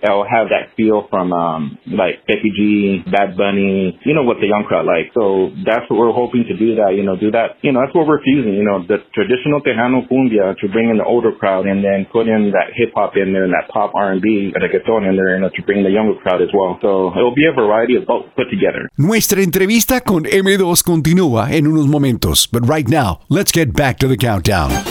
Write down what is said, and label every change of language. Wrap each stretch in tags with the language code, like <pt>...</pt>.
<en>It'll have that feel from, like, Becky G, Bad Bunny, you know, what the young crowd like. So that's what we're hoping to do, that, you know, do that. You know, that's what we're fusing, you know, the traditional Tejano cumbia to bring in the older crowd and then put in that hip-hop in there and that pop R&B reggaeton in there, you know, to bring the younger crowd as well. So it'll be a variety of both put together.</en> <es>Nuestra entrevista con M2 continúa en unos momentos.</es> <en>But right now, let's get back to the countdown.</en>